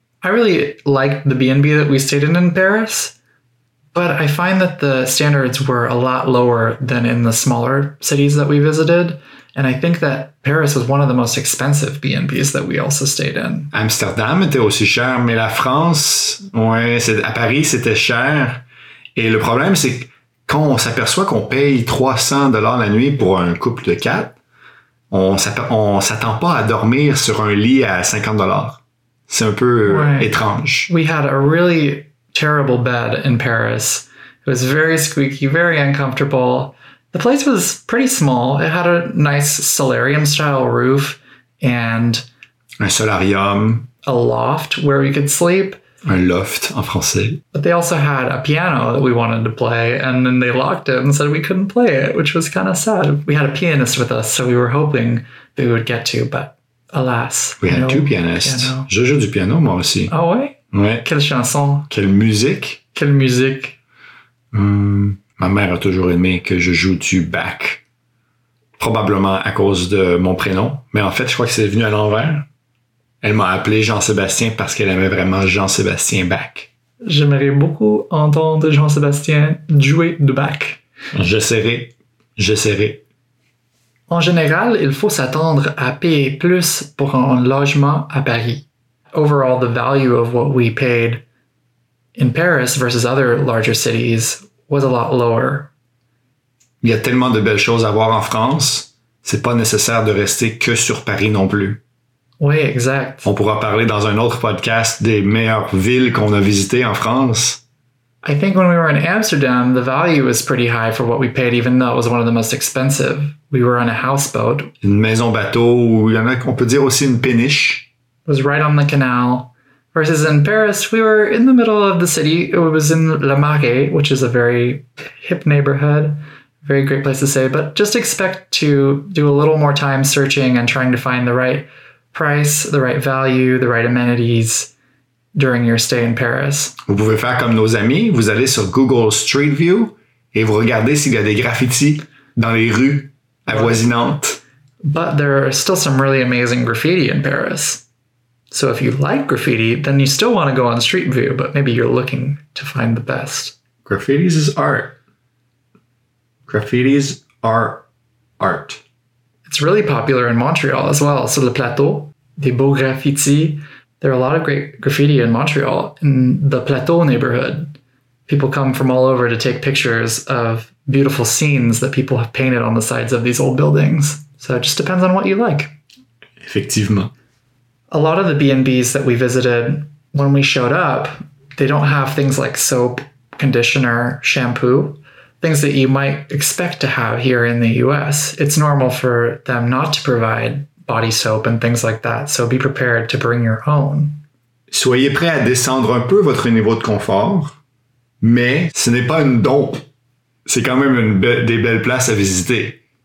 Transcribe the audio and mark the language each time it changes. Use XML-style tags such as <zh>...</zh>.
<en>I really liked the B&B that we stayed in Paris, but I find that the standards were a lot lower than in the smaller cities that we visited. And I think that Paris was one of the most expensive B&Bs that we also stayed in.</en> <fr>Amsterdam était aussi cher, mais la France, ouais, c'est, à Paris, c'était cher. Et le problème, c'est quand on s'aperçoit qu'on paye 300$ la nuit pour un couple de quatre, on s'attend pas à dormir sur un lit à 50$. C'est un peu étrange.</fr> <en>We had a really terrible bed in Paris. It was very squeaky, very uncomfortable. The place was pretty small. It had a nice solarium-style roof and...</en> <fr>Un solarium.</fr> <en>A loft where we could sleep.</en> <fr>Un loft en français.</fr> <en>But they also had a piano that we wanted to play, and then they locked it and said we couldn't play it, which was kind of sad. We had a pianist with us, so we were hoping that we would get to, but alas. We had two pianists.</en> <fr>Piano. Je joue du piano, moi aussi. Ah oui? Ouais. Quelle chanson? Quelle musique? Quelle musique? Ma mère a toujours aimé que je joue du Bach, probablement à cause de mon prénom. Mais en fait, je crois que c'est venu à l'envers. Elle m'a appelé Jean-Sébastien parce qu'elle aimait vraiment Jean-Sébastien Bach. J'aimerais beaucoup entendre Jean-Sébastien jouer du Bach. J'essaierai. En général, il faut s'attendre à payer plus pour un logement à Paris.</fr> <en>Overall, the value of what we paid in Paris versus other larger cities was a lot lower.</en> <fr>Il y a tellement de belles choses à voir en France, c'est pas nécessaire de rester que sur Paris non plus. Oui, exact. On pourra parler dans un autre podcast des meilleures villes qu'on a visitées en France.</fr> <en>I think when we were in Amsterdam, the value was pretty high for what we paid, even though it was one of the most expensive. We were on a houseboat.</en> <fr>Une maison bateau, ou il y en a qu'on peut dire aussi une péniche.</fr> <en>It was right on the canal. Versus in Paris, we were in the middle of the city. It was in Le Marais, which is a very hip neighborhood. Very great place to stay. But just expect to do a little more time searching and trying to find the right price, the right value, the right amenities during your stay in Paris.</en> <fr>Vous pouvez faire comme nos amis. Vous allez sur Google Street View et vous regardez s'il y a des graffitis dans les rues avoisinantes.</fr> <en>But there are still some really amazing graffiti in Paris. So if you like graffiti, then you still want to go on Street View, but maybe you're looking to find the best. Graffitis is art. Graffitis are art. It's really popular in Montreal as well.</en> <fr>Sur le plateau, des beaux graffitis.</fr> <en>There are a lot of great graffiti in Montreal, in the Plateau neighborhood. People come from all over to take pictures of beautiful scenes that people have painted on the sides of these old buildings. So it just depends on what you like. Effectivement. A lot of the B&Bs that we visited, when we showed up, they don't have things like soap, conditioner, shampoo, things that you might expect to have here in the US. It's normal for them not to provide body soap and things like that. So be prepared to bring your own.</en> <fr>Soyez prêt à descendre un peu votre niveau de confort, mais ce n'est pas une dompe. C'est quand même une des belles places à visiter.</fr>